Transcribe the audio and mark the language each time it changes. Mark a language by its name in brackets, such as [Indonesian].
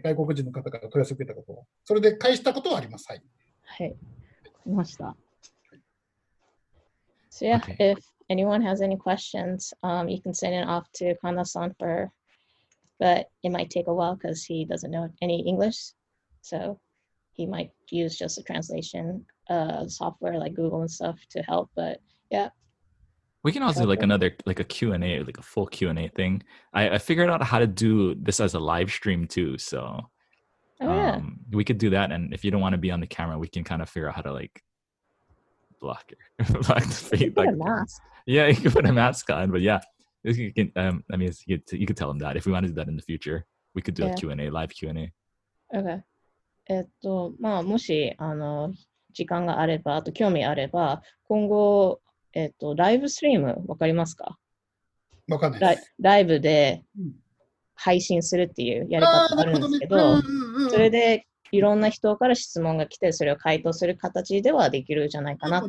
[Japanese] 外国人の方から問い合わせを受けたことは。それで返したことはあります。はい。はい。来ました。 [English] So yeah,、okay. if anyone has any questions, you can send it off to Kanda-san for, but it might take a while because he doesn't know any English, so he might use just a translation software like Google and stuff to help. But yeah. We can also do like another, like a Q&A, like a full Q&A thing. I figured out how to do this as a live stream too. So yeah. We could do that. And if you don't want to be on the camera, we can kind of figure out how to like block your block the face. You can put a mask. Yeah, you can put a mask on. But yeah, you can, I mean, you could tell them that. If we want to do that in the future, we could do a Q&A, live Q&A. Okay. [Japanese] まあ、もしあの時間があれば、あと興味あれば、今後、ライブストリーム、わかりますか？わかんないです。ライブで配信するっていうやり方があるんですけど、それでいろんな人から質問が来て、それを回答する形ではできるじゃないかなと。